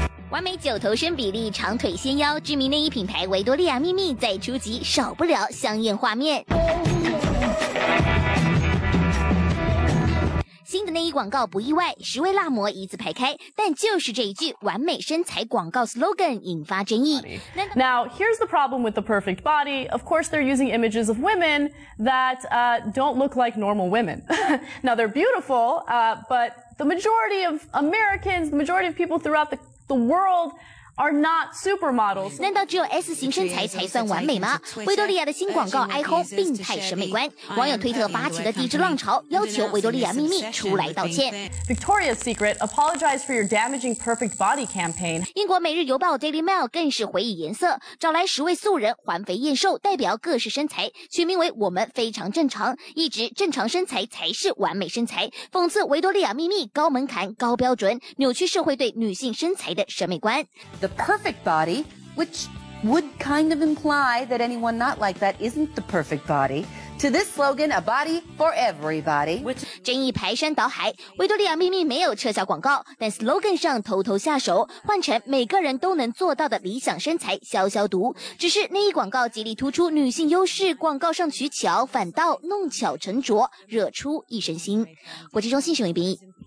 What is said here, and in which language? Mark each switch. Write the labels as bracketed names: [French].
[Chinese] 完美九头身比例，长腿纤腰，知名内衣品牌维多利亚秘密在初级少不了香艳画面。新的内衣广告不意外，十位辣模一字排开，但就是这一句完美身材广告 slogan 引发争议。 [English] Now here's the problem with the perfect body. Of course they're using images of women that don't look like normal women. Now they're beautiful, but the majority of Americans, the majority of people throughout the world are not supermodels. [Chinese] 难道只有 S 型身材才算完美吗？维多利亚的新广告哀轰病态审美观，网友推特发起的抵制浪潮，要求维多利亚秘密出来道歉。 [English] Victoria's Secret apologize for your damaging perfect body campaign. [Chinese] 英国每日邮报 Daily Mail 更是回以颜色，找来十位素人环肥燕瘦，代表各式身材，取名为我们非常正常，一直正常身材才是完美身材，讽刺维多利亚秘密高门槛高标准，扭曲社会对女性身材的审美观。 [English] The perfect body, which would kind of imply that anyone not like that isn't the perfect body. To this slogan, a body for everybody. [Chinese] 争议排山倒海，维多利亚秘密没有撤销广告，但 slogan 上偷偷下手，换成每个人都能做到的理想身材消消毒。只是内衣广告极力突出女性优势，广告上取巧，反倒弄巧成拙，惹出一身腥。国际中心新闻编译。